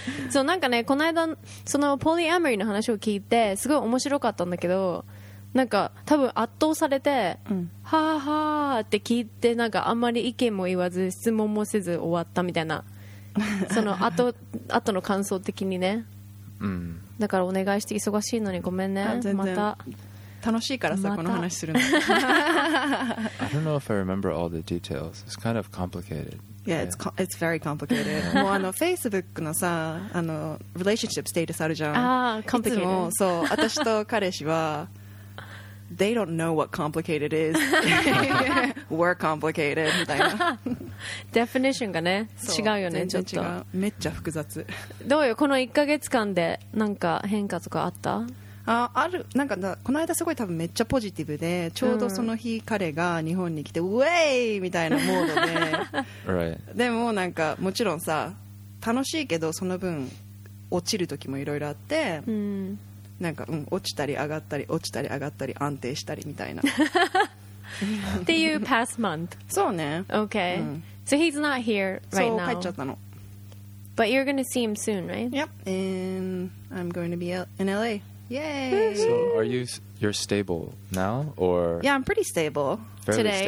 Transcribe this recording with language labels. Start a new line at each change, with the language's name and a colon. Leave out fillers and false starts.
Japanese: そう、なんかね、この間、その、ポリアムリーの話を聞いて、すごい面白かったんだけど、なんか、多分圧倒されて、うん、はぁはぁって聞いて、なんか、あんまり意見も言わず、質問もせず終わったみたいな、その、後の感想的にね。うん。だからお願いして忙しいのにごめんね、また。楽しいからさ、この話するの。
English: I don't know if I remember all the details. It's kind of complicated. Yeah, it's very complicated.
Japanese: もうあの、
English: Facebook のさ、あの、relationship status
Japanese: あるじゃん。ああ、complicated. いつも、そう、私と彼氏は、
English: they don't know what complicated is. We're complicated,
Japanese: みたいな。 Definition がね、違うよね、ちょっと。めっちゃ複雑。どうよ、この1ヶ月間でなんか変化とかあった？あるなんかこの間すごい多分めっちゃポジティブでちょうどその日彼が日本に来てウェイみたいなモードで
English: 、right.
Japanese: でもなんかもちろんさ楽しいけどその分落ちる時もいろいろあって、うん、なんか、うん、落ちたり上がったり落ちたり上がったり安定したりみたいなっていう
English: past month
Japanese: そうね
English: OK、うん、So he's not here right now
Japanese: そう帰っちゃったの
English: But you're gonna see him soon right? Yep and I'm going to be in LAYay! So are you're stable now or? Yeah, I'm pretty stable. Fairly today.